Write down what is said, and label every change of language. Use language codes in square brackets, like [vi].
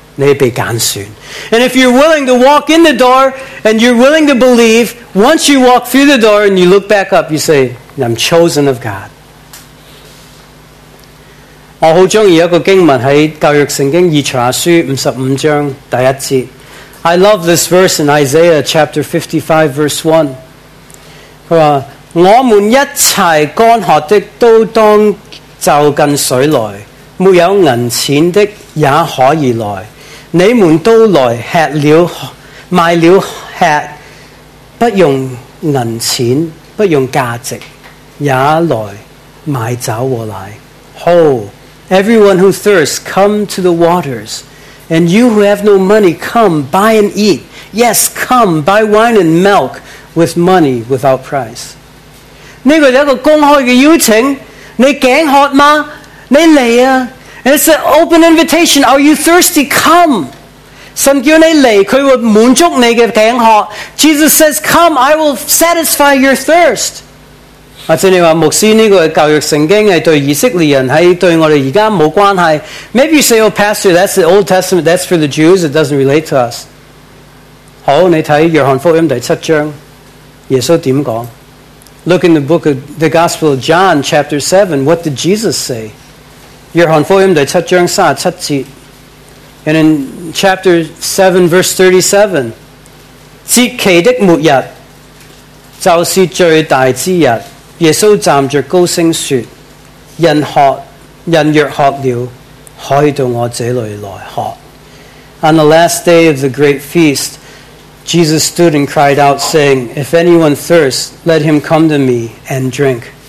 [zh] 你被拣选。 [en] And if you're willing to walk in the door and you're willing to believe, once you walk through the door and you look back up, you say, I'm chosen of God. [zh] 我好喜欢一个经文在旧约圣经以赛亚书55章第一节。 [en] I love this verse in Isaiah chapter 55 verse 1. [zh] 他说，我们一切干渴的都当就近水来，没有银钱的也可以来。你们都来吃了买了吃，不用银钱，不用价值，也来买酒和奶。 [en] Ho, everyone who thirsts, come to the waters, and you who have no money, come buy and eat. Yes, come buy wine and milk with money without price. [zh] 这个是一个公开的邀请，你颈渴吗？你来啊！ [en] It's an open invitation. Are you thirsty? Come. [zh] 神叫你来，他会满足你的颈渴。 [en] Jesus says, come, I will satisfy your thirst. [zh] 我听你说，牧师，这个教育圣经是对以色列人，是对我们现在没关系。 [en] Maybe you say, oh, pastor, that's the Old Testament, that's for the Jews, it doesn't relate to us. [zh] 好，你看约翰福音第七章，耶稣怎么说？ [en] Look in the book of the Gospel of John, chapter 7, what did Jesus say? [zh] 约翰福音第七章三十七节 [en] ，and in chapter 7 verse 37， [zh] 节期的末日就是最大之日。耶稣站着高声说：人渴，人若渴了，可以到我这里来喝。 [en] On the last day of the great feast, Jesus stood and cried out, saying, "If anyone thirsts, let him come to me and drink."